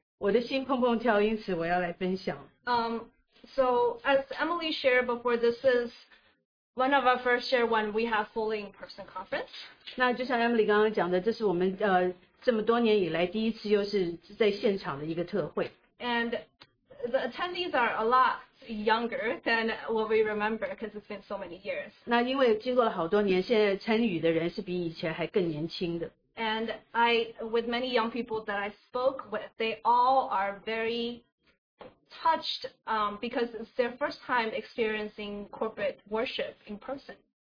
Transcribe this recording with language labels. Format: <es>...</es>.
<zh>我的心砰砰跳，因此我要来分享。</zh> <en>So as Emily shared before, this is one of our first year when we have fully in-person conference.</en> <zh>那就像Emily刚刚讲的，这是我们这么多年以来第一次又是在现场的一个特会。</zh> <en>And the attendees are a lot younger than what we remember because it's been so many years.</en> <zh>那因为经过了好多年，现在参与的人是比以前还更年轻的。</zh> <en>And I, with many young people that I spoke with, they all are very touched because it's their first time experiencing corporate worship in person.</en>